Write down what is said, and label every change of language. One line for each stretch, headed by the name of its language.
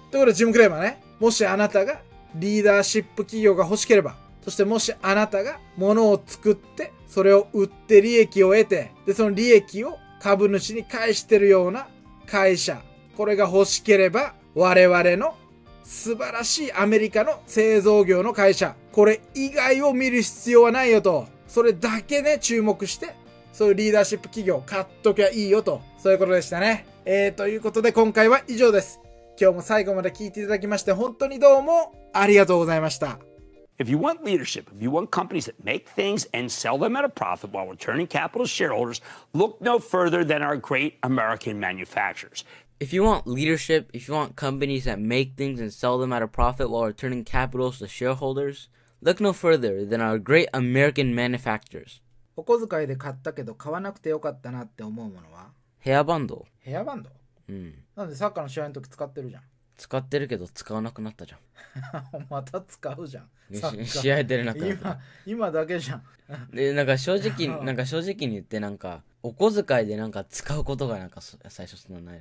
Japanese: ということで、ジム・クレーマーね、もしあなたがリーダーシップ企業が欲しければ、そしてもしあなたが物を作って、それを売って利益を得て、で、その利益を株主に返してるような会社、これが欲しければ、我々の素晴らしいアメリカの製造業の会社、これ以外を見る必要はないよと。それだけね注目して、そういうリーダーシップ企業を買っときゃいいよと、そういうことでしたね。ということで今回は以上です。今日も最後まで聞いていただきまして本当にどうもありがとうございました。
English: If you want leadership, if you want companies that make things and sell them at a profit while returning capital to shareholders, look no further than our great American manufacturers. If you want leadership, if you want companies that make things and sell them at a profit while returning capital to shareholdersLook no further than our great American manufacturers.
Japanese: お小遣いで買ったけど買わなくてよかったなって思うものは？ヘアバンド。ヘアバンド？うん。なんでサッカーの試合の時使ってるじゃん。使ってるけど使わなくなったじゃん。また使うじゃん。試合出れなくなった。今だけじゃん。でなんか正直なんか正直に言ってなんかお小遣いでなんか使うことがなんか最初そんなない、